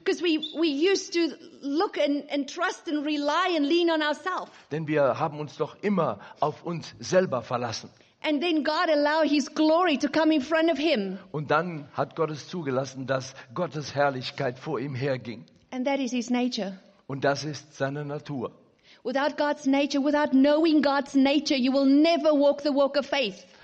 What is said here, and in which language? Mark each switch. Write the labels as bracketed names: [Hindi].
[English] Because we used to look and trust and rely and lean on ourselves. [German] Denn wir haben uns doch immer auf uns selber verlassen. [English] And then God allowed his glory to come in front of him. [German] Und dann hat Gott es zugelassen, dass Gottes Herrlichkeit vor ihm herging. [English] And that is his nature. [German] Und das ist seine Natur. [English] Without God's nature, without knowing God's nature, you will never walk the walk of faith.